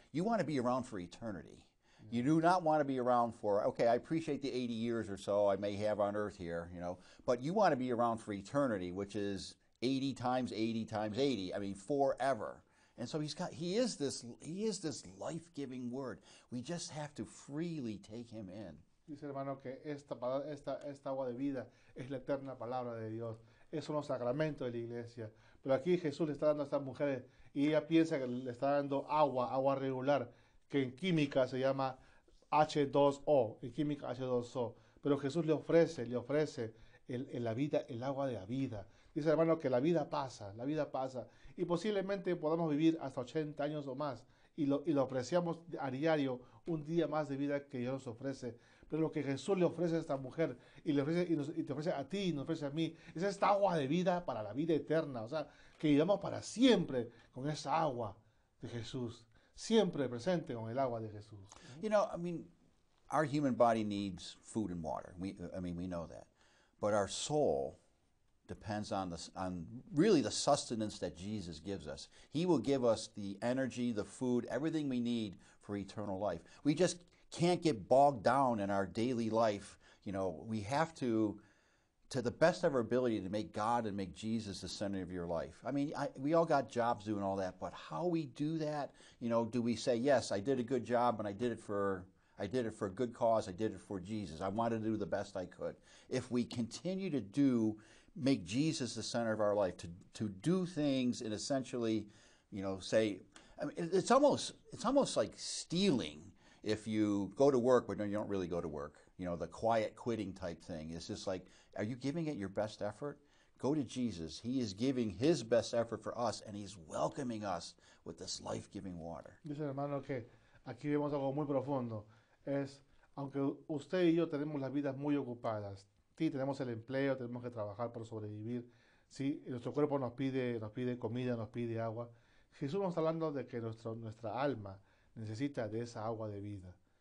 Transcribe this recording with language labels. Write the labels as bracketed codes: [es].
[en] You want to be around for eternity. You do not want to be around for, okay, I appreciate the 80 years or so I may have on earth here, you know, but you want to be around for eternity, which is 80 times 80 times 80, I mean, forever. And so he is this life-giving word. We just have to freely take him in. [es] Dice hermano que esta agua de vida es la eterna palabra de Dios. Es un sacramento de la iglesia. Pero aquí Jesús le está dando a estas mujeres y ella piensa que le está dando agua regular, que en química se llama H2O, en química H2O. Pero Jesús le ofrece en la vida, el agua de la vida. Dice, hermano, que la vida pasa. Y posiblemente podamos vivir hasta 80 años o más. Y lo apreciamos a diario, un día más de vida que Dios nos ofrece. Pero lo que Jesús le ofrece a esta mujer, y te ofrece a ti, y nos ofrece a mí, es esta agua de vida para la vida eterna. O sea, que vivamos para siempre con esa agua de Jesús. Siempre presente con el agua de Jesús. [en] You know, I mean, our human body needs food and water. We know that. But our soul depends on really the sustenance that Jesus gives us. He will give us the energy, the food, everything we need for eternal life. We just can't get bogged down in our daily life. You know, we have to the best of our ability, to make God and make Jesus the center of your life. I mean, we all got jobs doing all that, but how we do that, you know, do we say, yes, I did a good job, and I did it for a good cause, I did it for Jesus, I wanted to do the best I could. If we continue to make Jesus the center of our life, to do things and essentially, you know, say, I mean, it's almost like stealing if you go to work, but no, you don't really go to work. You know, the quiet quitting type thing. It's just like, are you giving it your best effort? Go to Jesus. He is giving his best effort for us, and he's welcoming us with this life-giving water. [es] Dice, hermano, que aquí vemos algo muy profundo. Es, aunque usted y yo tenemos las vidas muy ocupadas, sí, tenemos el empleo, tenemos que trabajar para sobrevivir. Sí, nuestro cuerpo nos pide comida, nos pide agua. Jesús nos está hablando de que nuestra alma necesita de esa agua de vida.